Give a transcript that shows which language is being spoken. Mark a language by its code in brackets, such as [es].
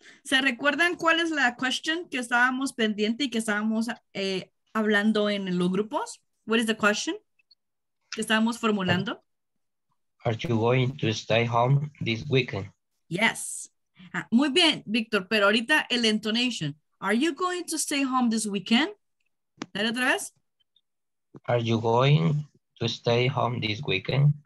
[es] ¿Se recuerdan cuál es la question que estábamos pendiente y que estábamos hablando en los grupos? [en] What is the question [es] que estábamos formulando? [en] Are you going to stay home this weekend? Yes. [es] Ah, muy bien, Víctor, pero ahorita el intonation. [en] Are you going to stay home this weekend? [es] Dale otra vez. [en] Are you going to stay home this weekend?